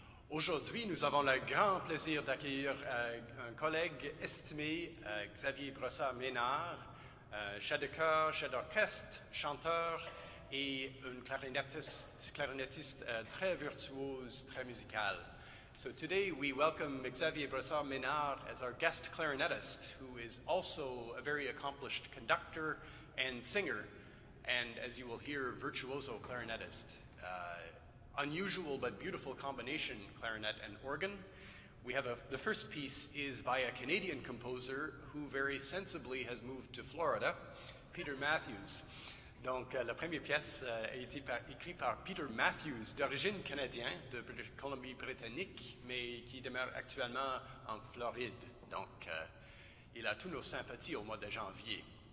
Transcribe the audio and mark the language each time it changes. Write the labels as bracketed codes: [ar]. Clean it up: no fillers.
[fr] Aujourd'hui, nous avons le grand plaisir d'accueillir un collègue estimé, Xavier Brossard-Ménard, chef de chœur, chef d'orchestre, chanteur et une clarinettiste très virtuose, très musicale. [en] So today we welcome Xavier Brossard-Ménard as our guest clarinettist, who is also a very accomplished conductor and singer, and as you will hear, virtuoso clarinettist. Unusual but beautiful combination, clarinet and organ. We have the first piece is by a Canadian composer who very sensibly has moved to Florida, Peter Matthews. [fr] Donc, la première pièce a été écrite par Peter Matthews, d'origine canadienne, de Colombie-Britannique, mais qui demeure actuellement en Floride. Donc, il a tous nos sympathies au mois de janvier.